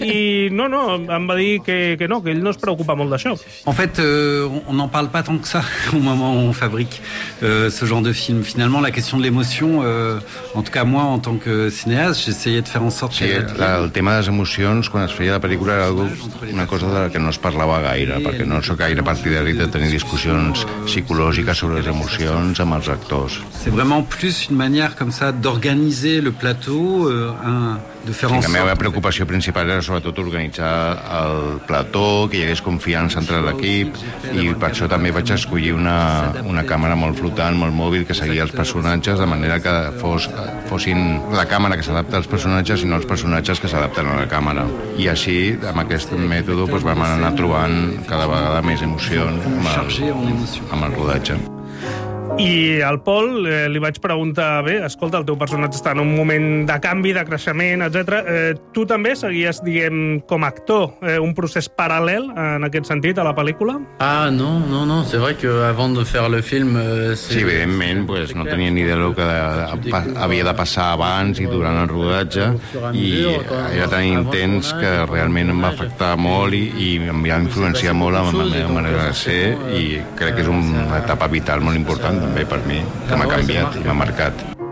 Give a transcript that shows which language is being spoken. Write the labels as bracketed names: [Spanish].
[Catalan] I no, em va dir que no, que ell no es preocupa molt d'això. [French] En fait, on n'en parle pas tant que ça au moment où on fabrique ce genre de film. Finalement, la question de l'émotion, en tout cas moi, en tant que cinéaste, j'essayais de faire en sorte... [Catalan] Sí, el tema de les émotions, quan es feia la pel·lícula, era una cosa de la que no es parlava gaire, perquè no soc gaire partidari de tenir discussions psicològiques sobre les émotions amb els actors. [French] C'est vraiment plus une manière comme ça d'organiser le plateau, de faire en sorte... [Catalan] La meva preocupació principal era sobretot organitzar el plató, que hi hagués confiança entre l'equip, i per això també vaig escollir una càmera molt flotant, molt mòbil, que seguia els personatges, de manera que fossin la càmera que s'adapta als personatges i no els personatges que s'adapten a la càmera. I així, amb aquest mètode, doncs vam anar trobant cada vegada més emoció amb el rodatge. I al Pol li vaig preguntar, bé, escolta, el teu personatge està en un moment de canvi, de creixement, etc. Tu també seguies, diguem, com a actor, un procés paral·lel en aquest sentit a la pel·lícula? [French] Ah, no, c'est vrai que avant de faire le film... [Catalan] Sí, evidentment, pues, no tenia ni idea del que havia de passar abans i durant el rodatge, i era tan intens que realment em va afectar molt i em va influenciar molt en la meva manera de ser, i crec que és una etapa vital molt important també per mi, que m'ha canviat i m'ha marcat.